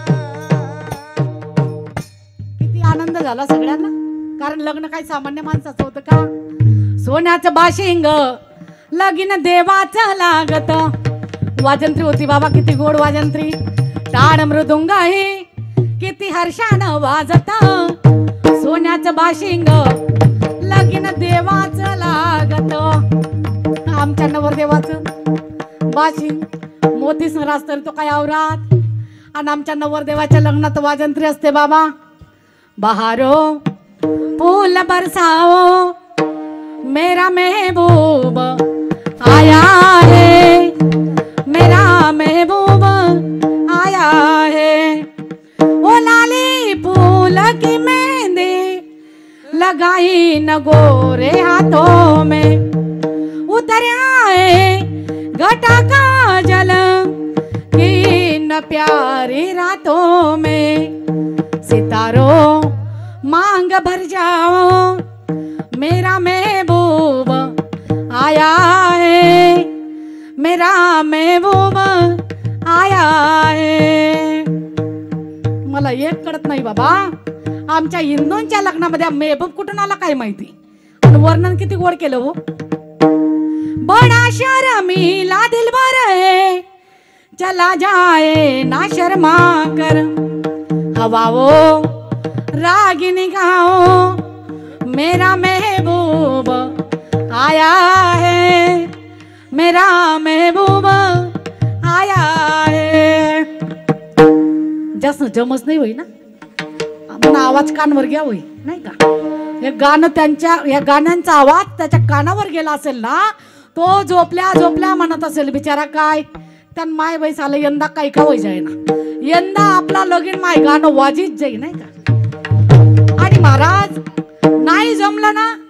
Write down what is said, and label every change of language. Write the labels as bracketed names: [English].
[Marathi] किती आनंद झाला सगळ्यांना, कारण लग्न काही सामान्य माणसाचं होतं का, सोन्याचं भाषिंग लगिन देवाच लागत, वाजंत्री होती बाबा किती गोड वाजंत्री, टाळ मृदुंग ही किती हर्षान वाजत, सोन्याचं भाषिंग लगिन देवाच लागत, आमच्या नवरदेवाच भाषिंग मोती सर असतं तो काय आवरात, आणि आमच्या नवरदेवाच्या लग्नात वाजंत्री असते बाबा। [Hindi] बहारो फूल बरसाओ मेरा महबूब आया है, मेरा महबूब आया है, ओ लाली फूल की मेहंदी लगाई न गोरे हाथों में, उतर आए घटा का जल की न प्यारी रातों में, सितारो मांग भर जाओ मेरा महबूब आया है, मेरा महबूब आया है। [Marathi] मला एक कळत नाही बाबा, आमच्या हिंदूंच्या लग्नामध्ये महबूब कुठून आला काय माहिती, पण वर्णन किती गोड केलं हो। [Hindi] बडा शरमीला दिलबर है चला जाए ना शर्मा कर, हवावो रागिनी गाओ मेरा महबूब आया है, मेरा महबूब आया है। [Marathi] जसं जमस नाही होई ना, आपण आवाज कानवर घ्या होई नाही का, हे गाणं त्यांच्या या गाण्यांचा आवाज त्याच्या कानावर गेला असेल ना, तो झोपल्या झोपल्या म्हणत असेल बिचारा काय त्यान माय वैस आलं, यंदा काय का होई जायना, यंदा आपला लगीन माय गाणं वाजीत जाई नाही का। आणि महाराज नाही जमलं ना